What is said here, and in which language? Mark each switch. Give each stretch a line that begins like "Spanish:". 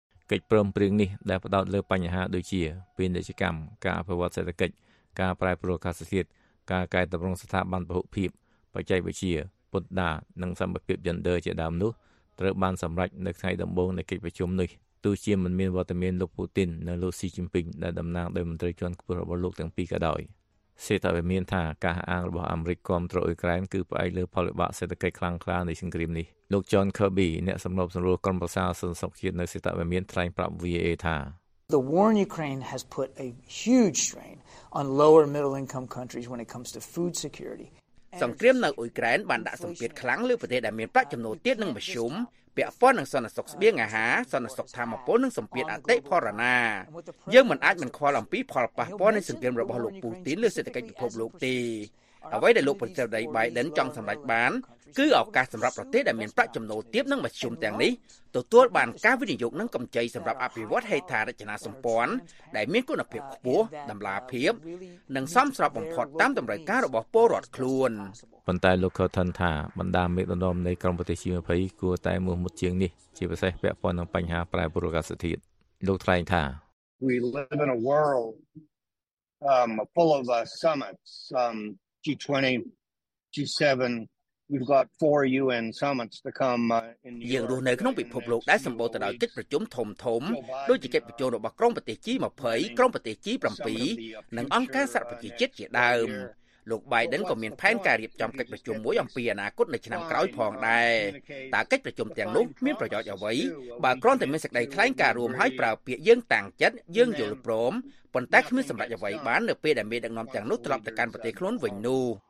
Khmer: កិច្ចព្រមព្រៀងនេះដែលផ្ដោតលើបញ្ហាដូចជាពាណិជ្ជកម្មការអភិវឌ្ឍសេដ្ឋកិច្ចការប្រែប្រួលអាកាសធាតុការកែតម្រង់ស្ថាប័នពហុភាពបច្ចេកវិទ្យាពន្ធដារនិងសមភាព gender ជាដើមនោះត្រូវបានសម្រេចនៅថ្ងៃដំបូងនៃកិច្ចប្រជុំនេះទោះជាមិនមានវត្តមានលោកពូទីននៅលោកស៊ីជីនពីងដែលតំណាងដោយមន្ត្រីជាន់ខ្ពស់របស់លោកទាំងពីរក៏ដោយ សេតវិមានថាការអាងរបស់អាមេរិកគាំទ្រអ៊ុយក្រែនគឺផ្អែកលើផលវិបាកសេដ្ឋកិច្ចខ្លាំងក្លានៃសង្គ្រាមនេះលោក John Kirby អ្នកសម្របសម្រួលក្រុមប្រឹក្សាសន្តិសុខជាតិនៅសេតវិមានថ្លែងប្រាប់ VOA ថា
English: The war in Ukraine has put a huge strain on lower middle income countries when it comes to food security.
Khmer: សង្គ្រាមនៅអ៊ុយក្រែនបានដាក់សម្ពាធខ្លាំងលើប្រទេសដែលមានប្រាក់ចំណូលទាបនិងមធ្យមពាក់ព័ន្ធនឹងសន្តិសុខស្បៀងអាហារសន្តិសុខធម្មពលនិងសម្ពាធអតិផរណាយើងមិនអាចមិនខ្វល់អំពីផលប៉ះពាល់នៃសង្គ្រាមរបស់លោកពូទីនលើសេដ្ឋកិច្ចពិភពលោកទេ អ្វីដែលលោកប្រធានាធិបតី Biden ចង់សម្រេចបានគឺឱកាសសម្រាប់ប្រទេសដែលមានប្រាក់ចំណូលទាបនិងមធ្យមទាំងនេះទទួលបានការវិនិយោគនិងកម្ចីសម្រាប់អភិវឌ្ឍហេដ្ឋារចនាសម្ព័ន្ធដែលមានគុណភាពខ្ពស់តម្លាភាពនិងសមស្របបំផុតតាមតម្រូវការរបស់ពលរដ្ឋខ្លួន ប៉ុន្តែលោកខថនថាបណ្ដាមេដឹកនាំនៃក្រុមប្រទេសជា20គួរតែមោះមុតជាងនេះជាពិសេសពាក់ព័ន្ធនឹងបញ្ហាប្រែប្រួលអាកាសធាតុលោកថ្លែងថា
English: We live in a world full of summits G20 G7 we've got 4 UN summits to come
Khmer: យើងនោះនៅក្នុងពិភពលោកដែលសម្បូរទៅដោយកិច្ចប្រជុំធំៗដូចជាកិច្ចប្រជុំរបស់ក្រុមប្រទេស G20 ក្រុមប្រទេស G7 និងអង្គការសហប្រជាជាតិជាដើមលោក Biden ក៏មានផែនការរៀបចំកិច្ចប្រជុំមួយអំពីអនាគតនៅឆ្នាំក្រោយផងដែរតើកិច្ចប្រជុំទាំងនោះមានប្រយោជន៍អ្វីបើគ្រាន់តែមានសេចក្តីថ្លែងការណ៍រួមហើយប្រើពាក្យយើងតាំងចិត្តយើងយល់ព្រមប៉ុន្តែគ្មានសម្រាប់អ្វីបាននៅពេលដែលមានដឹកនាំទាំងនោះត្រឡប់ទៅកាន់ប្រទេសខ្លួនវិញនោះ